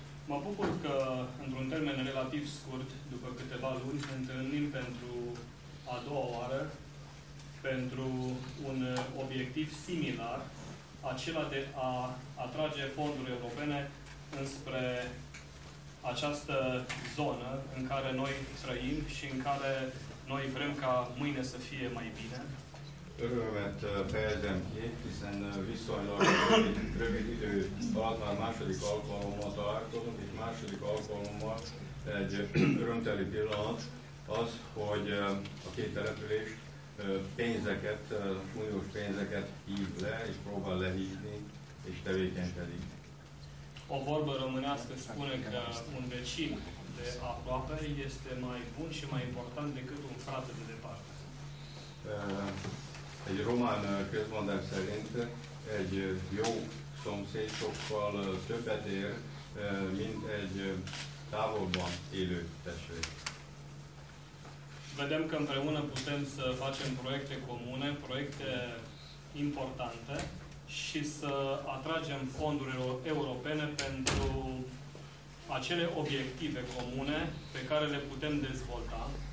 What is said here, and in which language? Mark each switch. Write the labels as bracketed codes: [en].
[ro] Mă bucur că, într-un termen relativ scurt, după câteva luni, ne întâlnim pentru a doua oară, pentru un obiectiv similar, acela de a atrage fonduri europene înspre această zonă în care noi trăim și în care noi vrem ca mâine să fie mai bine. [hu] Örömet fejezem ki, hiszen viszonylag rövid idő alatt már második alkalommal találkozunk, és második alkalommal egy örömteli pillanat az, hogy a két település pénzeket, uniós pénzeket hív le, és próbál lehívni, és tevékenykedik. [ro] A vorba românească spune că un vecin de aproape este mai bun și mai important decât un frate de departe. [hu] Egy román közmondás szerint egy jó szomszéd sokkal többet ér, mint egy távolban élő testvér. [ro] Vedem că împreună putem să facem proiecte comune, proiecte importante și să atragem fonduri europene pentru acele obiective comune pe care le putem dezvolta.